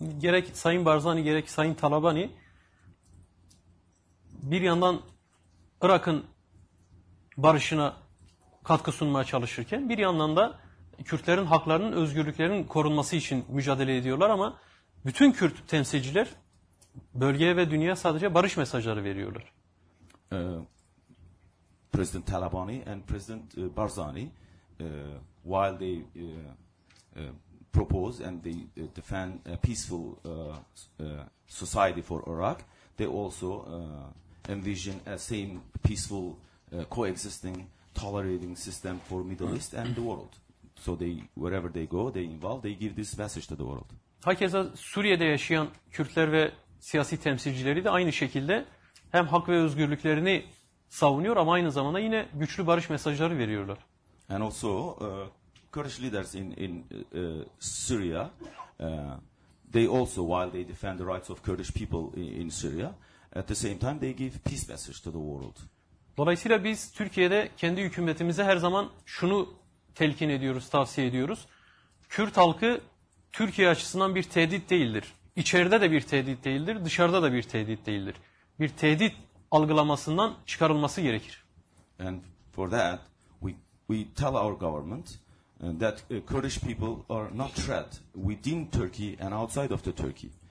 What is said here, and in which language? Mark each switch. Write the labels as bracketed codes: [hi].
[tr] Gerek Sayın Barzani, gerek Sayın Talabani, bir yandan Irak'ın barışına katkı sunmaya çalışırken, bir yandan da Kürtlerin haklarının, özgürlüklerin korunması için mücadele ediyorlar ama bütün Kürt temsilciler bölgeye ve dünyaya sadece barış mesajları veriyorlar. [en] President Talabani and President Barzani, while they propose and they defend a peaceful society for Iraq, they also envision a same peaceful coexisting, tolerating system for Middle East and the world. So they, wherever they go, they involve, they give this message to the world. [tr] Hakeza Suriye'de yaşayan Kürtler ve siyasi temsilcileri de aynı şekilde hem hak ve özgürlüklerini savunuyor ama aynı zamanda yine güçlü barış mesajları veriyorlar. [en] And also Kurdish leaders in Syria, they also, while they defend the rights of Kurdish people in Syria, at the same time they give peace message to the world. [tr] Dolayısıyla biz Türkiye'de kendi hükümetimize her zaman şunu telkin ediyoruz, tavsiye ediyoruz. Kürt halkı Türkiye açısından bir tehdit değildir. İçeride de bir tehdit değildir, dışarıda da bir tehdit değildir. Bir tehdit algılamasından çıkarılması gerekir. [en] And for that we tell our government that Kurdish people are not threat within Turkey and outside of the Turkey.